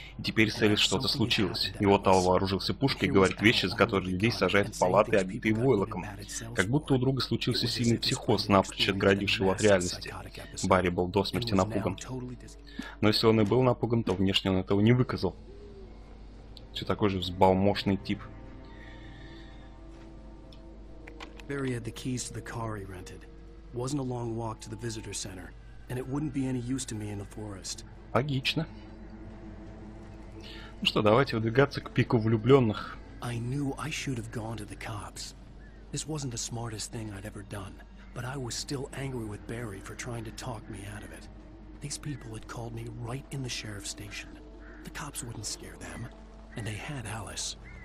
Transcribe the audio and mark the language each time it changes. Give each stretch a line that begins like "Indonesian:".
Russian: И теперь с Элис что-то случилось. И вот Алан вооружился пушкой и говорит вещи, за которые людей сажают в палаты, обитые войлоком. Как будто у друга случился сильный психоз, напрочь отградивший его от реальности. Барри был до смерти напуган. Но если он и был напуган, то внешне он этого не выказал. Все такой же взбалмошный тип.
English: Barry had the keys to the car he rented. Wasn't a long walk to the visitor center, and it wouldn't be any use to me in the forest.
Russian: Логично. Ну что, давайте выдвигаться к пику влюбленных.
English: I knew I should have gone to the cops. This wasn't the smartest thing I'd ever done, but I was still angry with Barry for trying to talk me out of it. These people had called me right in the sheriff's station. The cops wouldn't scare them, and they had Alice.